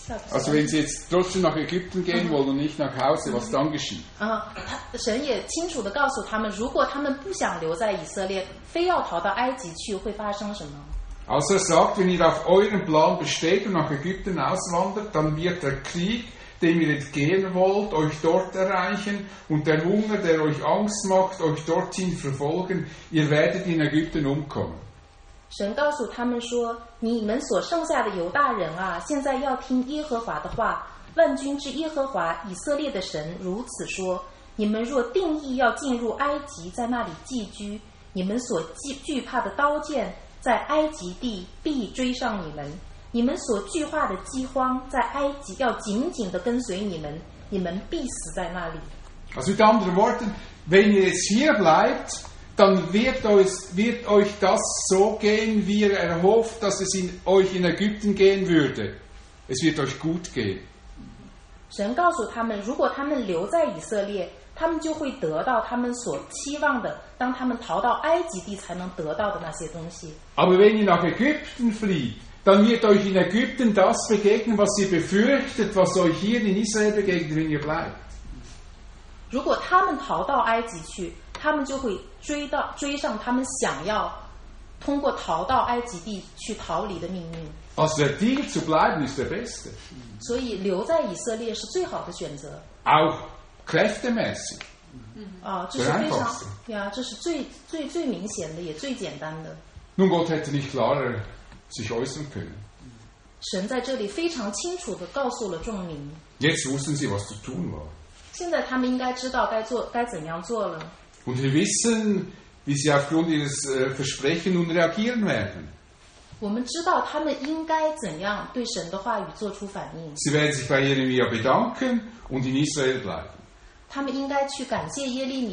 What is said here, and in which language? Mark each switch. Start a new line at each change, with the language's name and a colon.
German: Also wenn sie jetzt trotzdem nach Ägypten gehen wollen und nicht nach Hause, was dann geschieht?
Chinese: 神也清楚地告诉他们，如果他们不想留在以色列，非要逃到埃及去，会发生什么？
German: Also er sagt, wenn ihr auf euren Plan besteht und nach Ägypten auswandert, dann wird der Krieg, dem ihr entgehen wollt, euch dort erreichen und der Hunger, der euch Angst macht, euch dorthin verfolgen. Ihr werdet in Ägypten umkommen.
Chinese: 神告诉他们说，你们所剩下的犹大人啊，现在要听耶和华的话。万军之耶和华以色列的神如此说：你们若定意要进入埃及，在那里寄居，你们所惧怕的刀剑在埃及地必追上你们，你们所惧怕的饥荒在埃及要紧紧地跟随你们，你们必死在那里。
German: Also mit anderen Worten, wenn ihr jetzt hier bleibt, dann wird euch das so gehen, wie ihr erhofft, dass es in euch in Ägypten gehen würde. Es wird euch gut gehen.
Chinese: 神告诉他们，如果他们留在以色列，他们就会得到他们所期望的，当他们逃到埃及地才能得到的那些东西。
German: Aber wenn ihr nach Ägypten flieht, dann wird euch in Ägypten das begegnen, was ihr befürchtet, was euch hier in Israel begegnet, wenn ihr bleibt.
Chinese: 如果他们逃到埃及去，他们就会追上他们想要通过逃到埃及地去逃离的命运。
German: Also der Deal zu bleiben ist der beste.
Chinese: 所以留在以色列是最好的选择。
German: Auch kräftemäßig.
Chinese: 这是非常呀，这是最最最明显的，也最简单的。
German: Nun Gott hätte nicht klarer sich äußern können.
Chinese: 神在这里非常清楚地告诉了众民。
German: Jetzt wussten sie, was zu tun war.
Chinese: 现在他们应该知道该怎样做了。
German: Und wir wissen, wie sie aufgrund ihres Versprechens nun reagieren werden. Sie werden sich bei Jeremia bedanken und in Israel bleiben.